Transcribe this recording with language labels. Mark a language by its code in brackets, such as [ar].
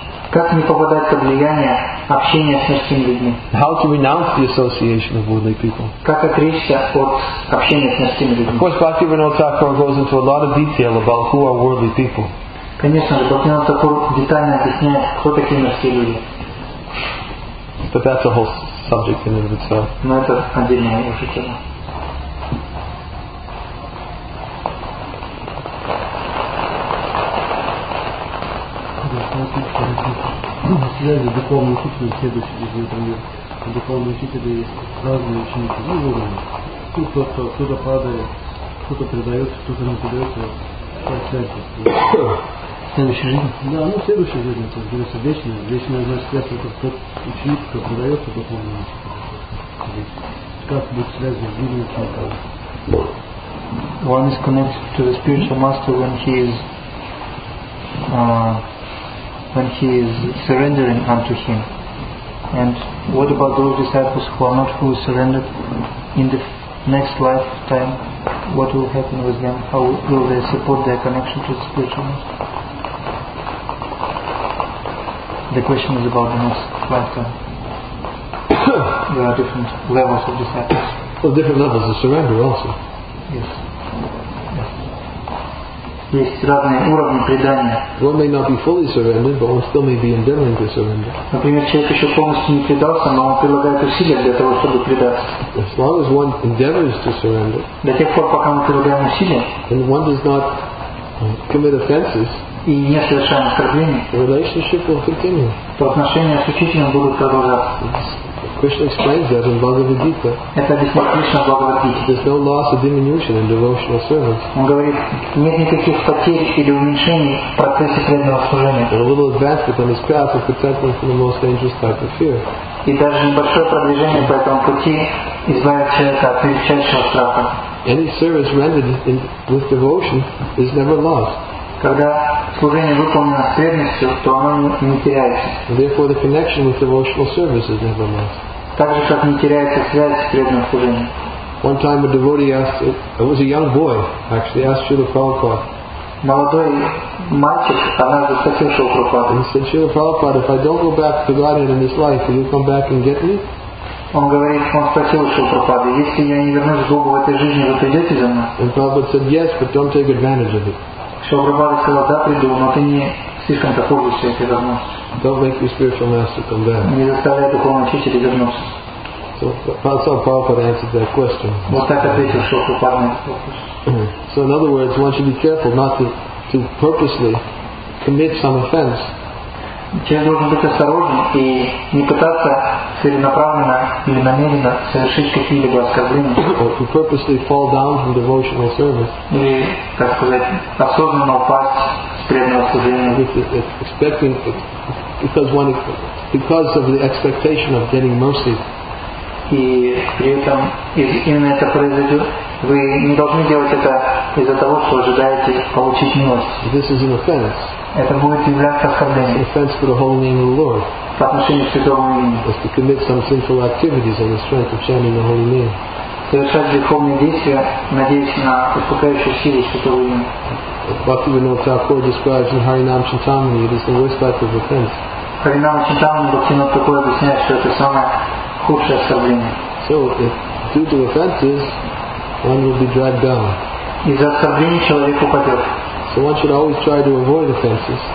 [ru] Как не попадать под влияние общения с мирскими людьми? [en] How to renounce the association of worldly people? [ru] Как отречься от общения с мирскими людьми? [en] Of course, Bhaktivinoda Thakur goes into a lot of detail about who are worldly people. [ru] Конечно, Бхактивинода Тхакур детально объясняет, кто такие мирские люди. [en] But that's a whole subject in and of itself. [ru] Но это отдельная уже тема. Связи духовные учителя следующие, например, духовные учителя есть разные ученики, ну, уровни. Кто-то падает, кто-то предается, кто-то не предается, как связи. Следующая жизнь? Да, ну, следующая жизнь, то есть вечная. Вечная, значит, связь, это тот ученик, кто предается духовному учителю. Как быть связи с другими учениками? [en] One is connected to the spiritual master when he is when he is surrendering unto him. And what about those disciples who are not fully surrendered in the next lifetime? What will happen with them? How will they support their connection to the spiritual master? The question is about the next lifetime. There are different levels of disciples. Well, different levels of surrender also. Yes. [ru] Есть разные уровни предания. [en] One may not be fully surrendered, but one still may be endeavoring to surrender. [ru] Например, человек еще полностью не предался, но он прилагает усилия для того, чтобы предаться. [en] As long as one endeavors to surrender. [ru] До тех пор, пока мы прилагаем усилия. [en] And one does not commit offenses. [ru] И не совершаем оскорблений. [en] The relationship will continue. [ru] То отношения с учителем будут продолжаться. [en] Krishna explains that in Bhagavad Gita. [ru] Это объясняет Кришна в Бхагавад Гите. [en] There's no loss or diminution in devotional service. [ru] Он говорит, нет никаких потерь или уменьшений в процессе преданного служения. [en] A little advancement on his path is contentment from the most dangerous type of fear. [ru] И даже небольшое продвижение по этому пути избавит человека от величайшего страха. [en] Any service rendered with devotion is never lost. [ru] Когда служение выполнено с верностью, то оно не теряется. [en] Therefore, the connection with devotional service is never lost. [ru] Так же, как не теряется связь с преданным служением. [en] One time a devotee asked, it was a young boy, actually, asked Srila Prabhupada. [ru] Молодой мальчик, однажды спросил Шрилу Прабхупаду. [en] He said, Srila Prabhupada, if I don't go back to Godhead in this life, will you come back and get me? [ru] Он говорит, он спросил Шрилу Прабхупаду, если я не вернусь к Богу в этой жизни, вы придете за мной? [en] And Prabhupada said, yes, but don't take advantage of it. [ru] Шабрабада сказал, да, приду, но ты не слишком-то пользуешься этой возможностью. [en] Don't make your spiritual master come back. [ru] Не заставляй духовного учителя вернуться. [en] So Prabhupada answered that question. [ru] Вот так ответил Шабрабада на этот вопрос. [en] So in other words, one should be careful not to purposely commit some offense. [ru] Человек должен быть осторожен и не пытаться целенаправленно или намеренно совершить какие-либо оскорбления. [en] To purposely fall down from devotional service. [ru] Или, как сказать, осознанно упасть с преданного служения. [en] Because of the expectation of getting mercy. [ru] И при этом, если именно это произойдет, вы не должны делать это из-за того, что ожидаете получить милость. [en] This is an offense. [ru] Это будет являться оскорблением. [en] Offense to the holy name of the Lord. [ru] По отношению к святому имени. [en] Is to commit some sinful activities on the strength of chanting the holy name. [ru] Совершать духовные действия, надеясь на успокаивающую силу святого имени. [en] Bhaktivinoda Thakur describes in Harinam Chintamani, it is the worst type of offense. [ru] Harinam Chintamani, Bhaktivinoda Thakur объясняет, что это самое худшее оскорбление. [en] So, if due to offenses, one will be dragged down. [ru] Из-за оскорблений человек упадет. [en] So one should always try to avoid offenses.